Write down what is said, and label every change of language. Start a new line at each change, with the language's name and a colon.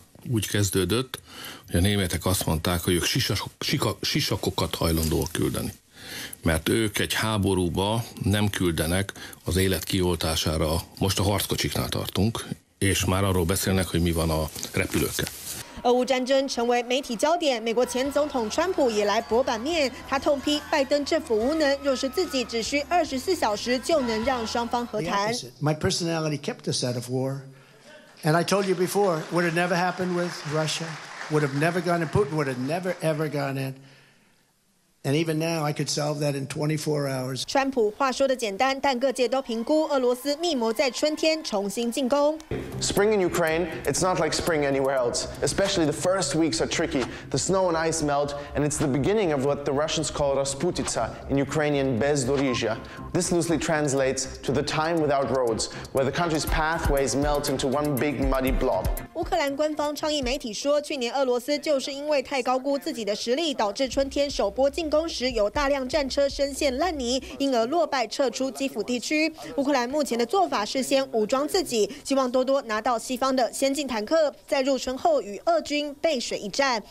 Hungarian: Úgy kezdődött, hogy a németek azt mondták, hogy ők sisakokat hajlandóak küldeni, mert ők egy háborúba nem küldenek az élet kioltására. Most a harckocsiknál tartunk, és már arról beszélnek, hogy mi van a repülőkkel.
Chinese: 俄乌战争成为媒体焦点，美国前总统川普也来博版面，他痛批拜登政府无能，若是自己只需24小时就能让双方和谈。
English: My personality kept us out of war, and I told you before, would have never happened with Russia, would have never gone in. Putin would have never ever gone in. And even now, I could solve that in 24 hours.
Chinese: 川普话说的简单，但各界都评估俄罗斯密谋在春天重新进攻。
English: Spring in Ukraine, it's not like spring anywhere else. Especially the first weeks are tricky. The snow and ice melt, and it's the beginning of what the Russians call Rasputitsa in Ukrainian Bezdorizhia. This loosely translates to the time without roads, where the country's pathways melt into one big muddy blob.
Chinese: 乌克兰官方倡议媒体说，去年俄罗斯就是因为太高估自己的实力，导致春天首波进攻时有大量战车深陷烂泥，因而落败撤出基辅地区。乌克兰目前的做法是先武装自己，希望多多拿到西方的先进坦克，在入春后与俄军背水一战。